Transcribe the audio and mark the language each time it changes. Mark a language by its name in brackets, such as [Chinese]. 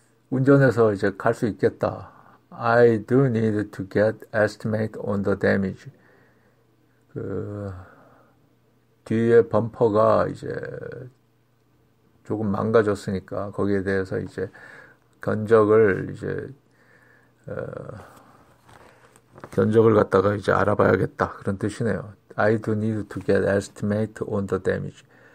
[Korean] 운전해서 이제 갈수 있겠다. [English] I do need to get estimate on the damage. [Korean] 뒤에 범퍼가 이제 조금 망가졌으니까 거기에 대해서 이제 견적을 갖다가 이제 알아봐야겠다. 그런 뜻이네요. [English] I do need to get estimate on the damage.